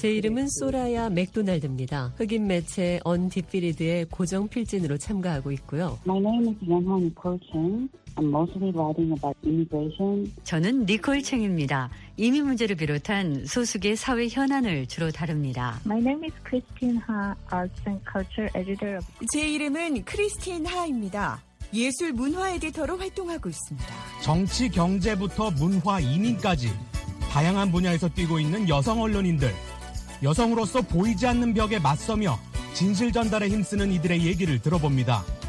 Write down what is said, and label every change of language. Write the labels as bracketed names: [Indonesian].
[Korean] 제 이름은 소라야 맥도날드입니다. 흑인 매체 언디피리드의 고정 필진으로 참가하고 있고요. [English] My name is Yeonhun Kolchung. I'm mostly writing about immigration. [Korean] 저는 니콜 챙입니다. 이민 문제를 비롯한 소수계 사회 현안을 주로 다룹니다. [English] My name is Christine Ha, Arts and Culture Editor. [Korean] 제 이름은 크리스틴 하입니다. 예술 문화 에디터로 활동하고 있습니다. 정치, 경제부터 문화, 이민까지 다양한 분야에서 뛰고 있는 여성 언론인들. 여성으로서 보이지 않는 벽에 맞서며 진실 전달에 힘쓰는 이들의 얘기를 들어봅니다.